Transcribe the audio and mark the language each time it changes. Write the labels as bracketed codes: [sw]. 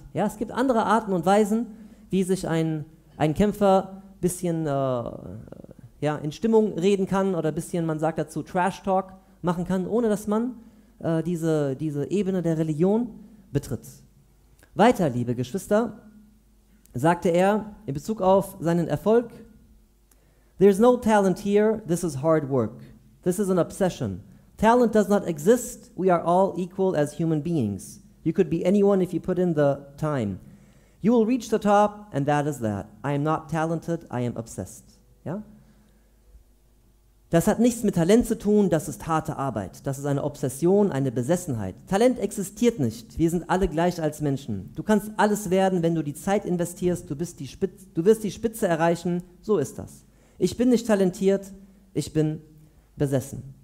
[de] Ja, es gibt andere Arten und Weisen, wie sich ein Kämpfer ein bisschen in Stimmung reden kann oder ein bisschen, man sagt dazu, Trash-Talk machen kann, ohne dass man diese Ebene der Religion betritt. Weiter, liebe Geschwister, sagte er in Bezug auf seinen Erfolg: [en] There's no talent here, this is hard work. This is an obsession. Talent does not exist, we are all equal as human beings. You could be anyone if you put in the time. You will reach the top, and that is that. I am not talented, I am obsessed. [de] Ja? Das hat nichts mit Talent zu tun, das ist harte Arbeit. Das ist eine Obsession, eine Besessenheit. Talent existiert nicht. Wir sind alle gleich als Menschen. Du kannst alles werden, wenn du die Zeit investierst. Du wirst die Spitze erreichen. So ist das. Ich bin nicht talentiert, ich bin besessen.